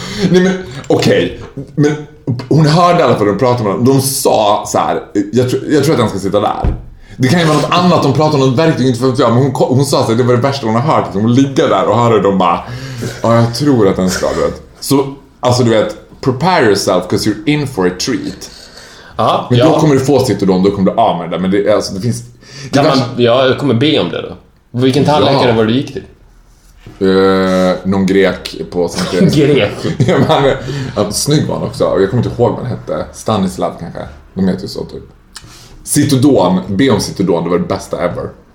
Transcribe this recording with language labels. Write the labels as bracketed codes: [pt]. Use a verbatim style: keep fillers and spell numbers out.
[sv] Nej men okej, okay. Men hon hörde i alla fall att de pratade med dem. De sa så här, jag, tr- jag tror att den ska sitta där. Det kan ju vara något annat, de pratar om något verktyg, inte för att jag, men hon, hon sa att det var det värsta hon har hört. Hon ligger där och hörde dem bara, ja jag tror att den ska, du vet. Så, alltså du vet, [en] prepare yourself because you're in for a treat. [sv] Aha, men ja. Då kommer du få sitt och dem, då kommer du av med det där. Men det, alltså, det finns... Det kan man, ja, jag kommer be om det då. Vilken tandläkare var du gick till? Uh, någon grek på Sankt Grek. Ja, men, ja, snygg var han också. Jag kommer inte ihåg vad han hette. Stanislav kanske. De heter ju så typ. Citodon, be om Citodon, det var det bästa ever.